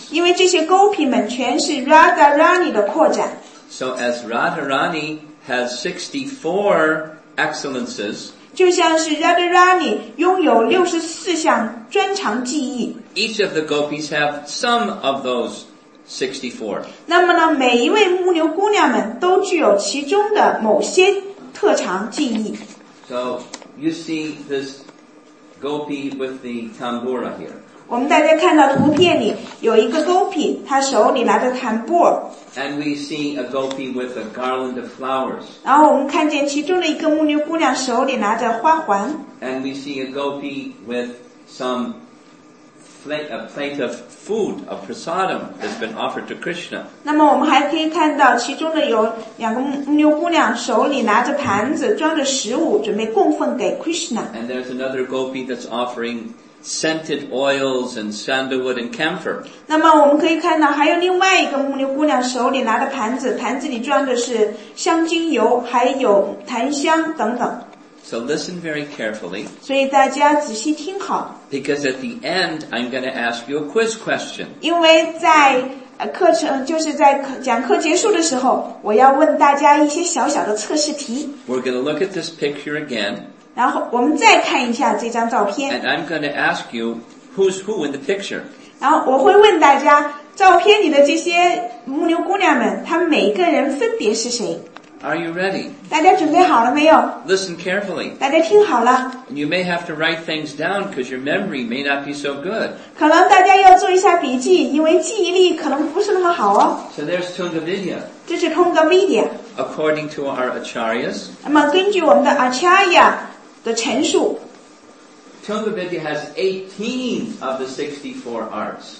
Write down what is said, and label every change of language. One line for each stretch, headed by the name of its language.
Chinese: 因为这些 Gopi 们全是 Radha Rani 的扩展。
English: So as Radha Rani has 64 excellences,
Chinese: 就像是 Radha Rani 拥有64项专长技艺。
English: Each of the Gopis have some of those 64.
Chinese: 那么呢，每一位牧牛姑娘们都具有其中的某些特长技艺。
English: So you see this Gopi with the tambura here.
Chinese: 我们大家看到图片里有一个 Gopi， 他手里拿着 tambur。
English: And we see a Gopi with a garland of flowers.
Chinese: 然后我们看见其中的一个牧牛姑娘手里拿着花环。
English: And we see a Gopi with some plate of food, a prasadam that's been offered to Krishna.
Chinese: 那么我们还可以看到其中的有两个牧牛姑娘手里拿着盘子装着食物准备供奉给 Krishna.
English: And there's another gopi that's offering scented oils and sandalwood and camphor.
Chinese: 那么我们可以看到还有另外一个牧牛姑娘手里拿着盘子，盘子里装的是香精油还有檀香等等。
English: So listen very carefully.
Chinese: 所以大家仔细听好。
English: Because at the end, I'm going to ask you a quiz question.
Chinese: 因为在课程就是在讲课结束的时候，我要问大家一些小小的测试题。
English: We're going to look at this picture again.
Chinese: 然后我们再看一下这张照片。
English: And I'm going to ask you who's who in the picture.
Chinese: 然后我会问大家，照片里的这些牧牛姑娘们，她们每个人分别是谁？
English: Are you ready?
Chinese: 大家准备好了没有？
English: Listen carefully.
Chinese: 大家听好了。
English: And you may have to write things down because your memory may not be so good.
Chinese: 可能大家要做一下笔记，因为记忆力可能不是那么好哦。
English: So there's Tungavidya.
Chinese: 这是 Tungavidya.
English: According to our acharyas.
Chinese: 那么根据我们的 acharya 的陈述，
English: Tungavidya has 18 of the 64 arts.